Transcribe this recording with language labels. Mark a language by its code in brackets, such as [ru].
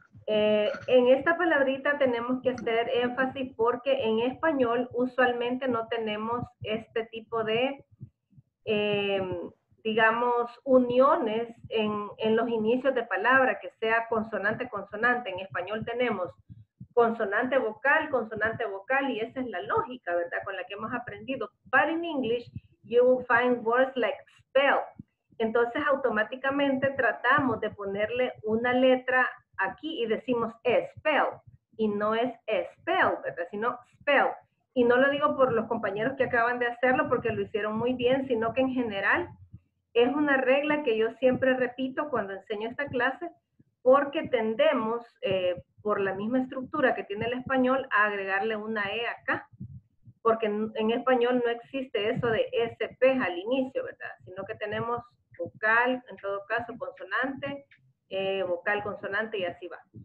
[es] En esta palabrita tenemos que hacer énfasis porque en español usualmente no tenemos este tipo de, digamos, uniones en los inicios de palabra, que sea consonante-consonante. En español tenemos consonante-vocal, y esa es la lógica, ¿verdad?, con la que hemos aprendido. [en] But in English, you will find words like spell. [es] Entonces, automáticamente tratamos de ponerle una letra aquí y decimos spell, y no es spell, ¿verdad?, sino spell. Y no lo digo por los compañeros que acaban de hacerlo, porque lo hicieron muy bien, sino que en general es una regla que yo siempre repito cuando enseño esta clase, porque tendemos, por la misma estructura que tiene el español, a agregarle una E acá, porque en español no existe eso de SP al inicio, ¿verdad?, sino que tenemos vocal, en todo caso, consonante, vocal, consonante, y así va.